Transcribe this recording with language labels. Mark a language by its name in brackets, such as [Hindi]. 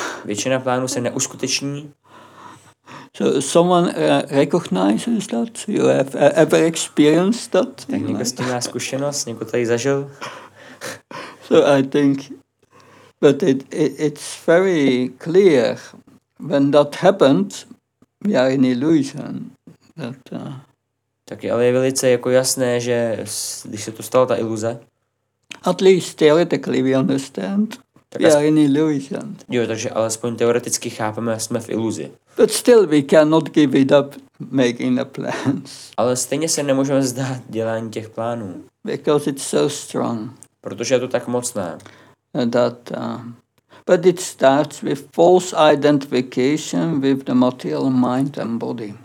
[Czech] Většina plánů se neuskuteční. [English] So someone recognizes that you have ever experienced that. [Czech] Tak někdo s tím má zkušenost, někdo tady zažil. [English] So I think, but it's very clear when that happened, we are in illusion. That, [Czech] Taky, ale je velice jako jasné, že když se to stalo ta iluze. [English] At least theoretically we understand. We are in illusion. [Czech] Jo, takže alespoň teoreticky chápeme, jsme v iluzi. [English] But still we cannot give it up making the plans. [Czech] Ale stejně se nemůžeme vzdát dělání těch plánů. [English] Because it's so strong. [Czech] Protože je to tak mocné. [English] That, but it starts with false identification with the material mind and body.